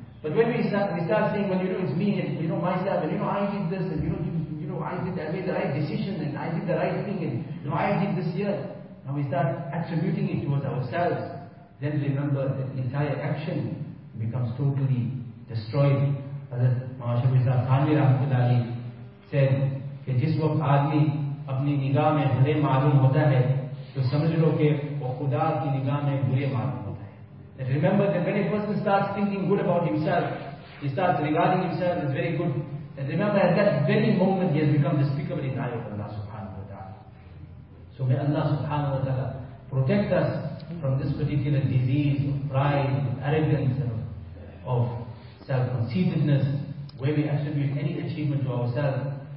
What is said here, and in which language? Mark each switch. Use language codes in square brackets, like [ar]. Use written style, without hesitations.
[en] But when we start saying, well, you know, it's me and you know myself and you know I did this and I made the right decision and I did the right thing and you know I did this here. Now we start attributing it towards ourselves. Then remember that entire action becomes totally destroyed. [ur] Hazrat Mahashabhizah Sani Rahmatullah Ali [en] said, that this [ur] waqt aadmi اپنی نگاہ میں بھلے معلوم ہوتا ہے تو سمجھ لو کہ وہ خدا کی نگاہ میں برے معلوم ہوتا ہے. [en] And remember that when a person starts thinking good about himself, he starts regarding himself as very good, and remember at that very moment he has become despicable in the eye of Allah subhanahu wa ta'ala. So may Allah subhanahu wa ta'ala protect us from this particular disease of pride, of arrogance, and of self-conceitedness, where we attribute any achievement to ourselves.